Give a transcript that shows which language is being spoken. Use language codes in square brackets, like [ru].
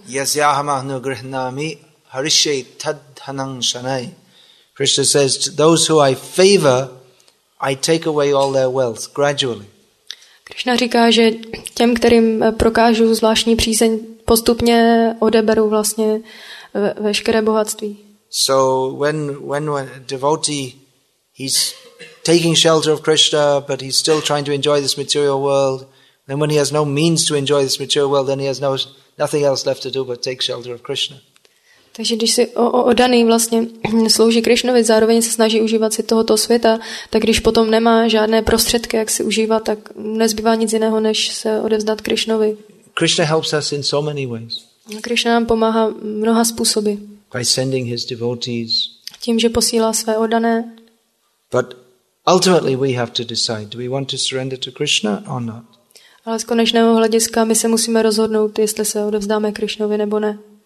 [sa] Yasyahamahnu grihnami harishe tadhanang shanai. [en] Krishna says, those who I favor, I take away all their wealth gradually. [cs] Krishna říká, že těm, kterým prokážu zvláštní přízeň, postupně odeberu vlastně veškeré bohatství. [en] So when a devotee he's taking shelter of Krishna, but he's still trying to enjoy this material world, then when he has no means to enjoy this material world, then he has nothing else left to do but take shelter of Krishna. [cs] Takže když si oddaný vlastně slouží Krišnovi, zároveň se snaží užívat si tohoto světa, tak když potom nemá žádné prostředky, jak si užívat, tak nezbývá nic jiného, než se odevzdat Krišnovi. [en] Krishna helps us in so many ways. [cs] Krišna nám pomáhá mnoha způsoby. [en] By sending his devotees. [cs] Tím, že posílá své oddané. [en] But ultimately we have to decide, do we want to surrender to Krishna or not? [cs] Ale z konečného hlediska my se musíme rozhodnout, jestli se odevzdáme Krišnovi nebo ne.